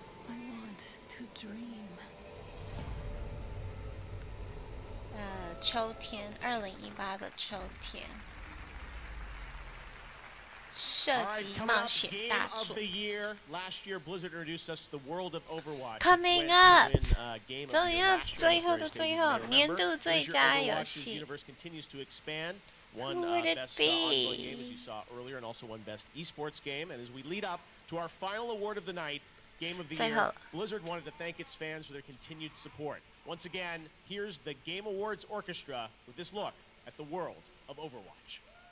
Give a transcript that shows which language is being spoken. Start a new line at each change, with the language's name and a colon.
English: I want to dream.
Chinese: 秋天，2018的秋天。射击冒险大作。
English: Game of the Year. Last year, Blizzard introduced us to the world of Overwatch. Coming up.
Chinese: 终于要最后的最后，年度最佳游戏。
English: Universe continues to expand. Won best ongoing game as you saw earlier, and also won best esports game. And as we lead up to our final award of the night, Game of the Year, Blizzard wanted to thank its fans for their continued support. Once again, here's the Game Awards Orchestra with this look at the world of Overwatch.